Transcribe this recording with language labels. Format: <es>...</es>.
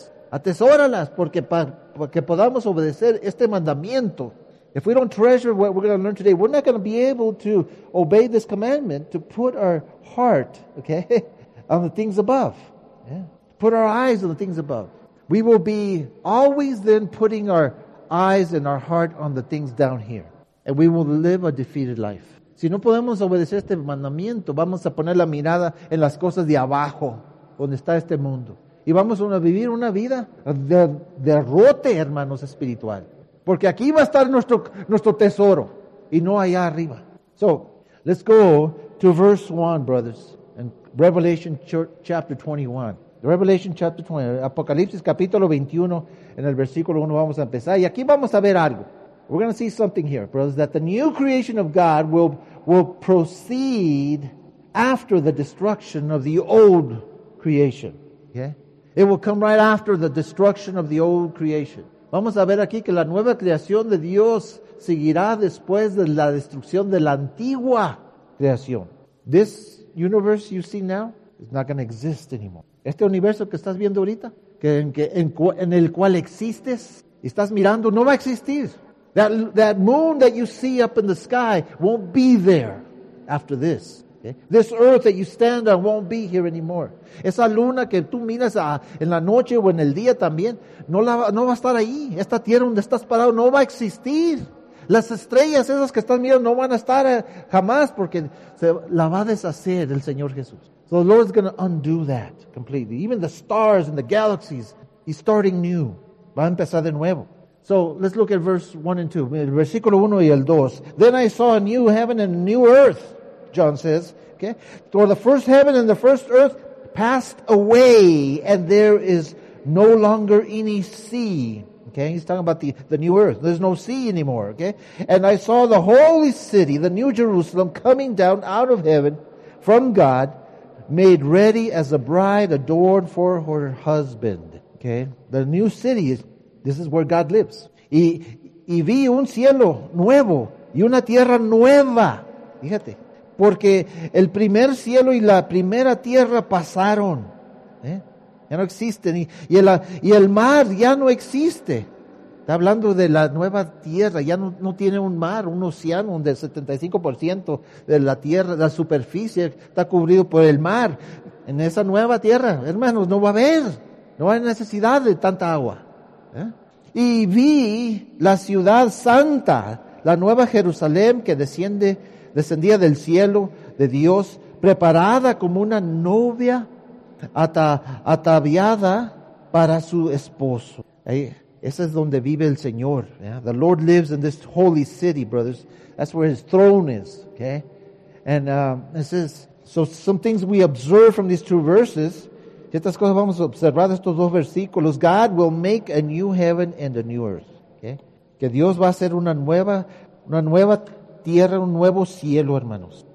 <es>Atesóralas, porque para que podamos obedecer este mandamiento.</es> <en>If we don't treasure what we're going to learn today, we're not going to be able to obey this commandment to put our heart, okay, on the things above. Yeah. Put our eyes on the things above. We will be always then putting our eyes and our heart on the things down here. And we will live a defeated life.</en> <es>Si no podemos obedecer este mandamiento, vamos a poner la mirada en las cosas de abajo, donde está este mundo. Y vamos a vivir una vida de derrote, hermanos, espiritual. Porque aquí va a estar nuestro tesoro, y no allá arriba.</es> <en>So, let's go to verse 1, brothers, in Revelation chapter 21. Revelation chapter 20,</en> <es>Apocalipsis capítulo 21, en el versículo 1 vamos a empezar. Y aquí vamos a ver algo.</es> <en>We're going to see something here, brothers, that the new creation of God will proceed after the destruction of the old creation. Okay? It will come right after the destruction of the old creation.</en> <es>Vamos a ver aquí que la nueva creación de Dios seguirá después de la destrucción de la antigua creación.</es> <en>This universe you see now is not going to exist anymore.</en> <es>Este universo que estás viendo ahorita, en el cual existes, estás mirando, no va a existir.</es> <en>That moon that you see up in the sky won't be there after this. Okay? This earth that you stand on won't be here anymore.</en> <es>Esa luna que tú miras en la noche o en el día también, no va a estar ahí. Esta tierra donde estás parado no va a existir. Las estrellas esas que están mirando no van a estar jamás porque se la va a deshacer el Señor Jesús.</es> <en>So the Lord is going to undo that completely. Even the stars and the galaxies, he's starting new.</en> <es>Va a empezar de nuevo.</es> <en>So let's look at verse 1 and 2.</en> <es>El versículo 1 y el 2.</es> <en>Then I saw a new heaven and a new earth, John says. Okay? For the first heaven and the first earth passed away and there is no longer any sea. Okay, he's talking about the new earth. There's no sea anymore, okay? And I saw the holy city, the new Jerusalem, coming down out of heaven from God, made ready as a bride adorned for her husband. Okay, the new city, this is where God lives.</en> <es>Y vi un cielo nuevo y una tierra nueva. Fíjate, porque el primer cielo y la primera tierra pasaron, ¿eh? Ya no existen. Y el mar ya no existe. Está hablando de la nueva tierra. Ya no tiene un mar, un océano donde el 75% de la tierra, la superficie, está cubrido por el mar. En esa nueva tierra, hermanos, no va a haber. No hay necesidad de tanta agua. ¿Eh? Y vi la ciudad santa, la nueva Jerusalén que descendía del cielo de Dios, preparada como una novia ataviada para su esposo. Ese es donde vive el Señor. Yeah?</es> <en>The Lord lives in this holy city, brothers. That's where his throne is. Okay? And this is, so some things we observe from these two verses.</en> <es>Estas cosas vamos a observar de estos dos versículos.</es> <en>God will make a new heaven and a new earth. Okay?</en> <es>Que Dios va a hacer una nueva tierra, un nuevo cielo, hermanos.</es>